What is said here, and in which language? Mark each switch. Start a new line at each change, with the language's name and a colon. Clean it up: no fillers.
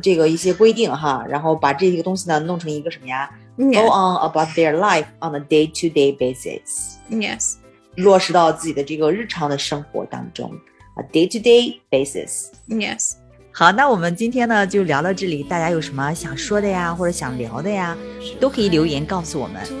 Chinese: 这个一些规定哈，然后把这个东西呢弄成一个什么呀、
English: yeah. go on about their life on a day-to-day basis. Yes.
Chinese: 落实到自己的这个日常的生活当中。
English: A day-to-day basis. Yes.
Chinese: 好，那我们今天呢就聊到这里。大家有什么想说的呀，或者想聊的呀，都可以留言告诉我们。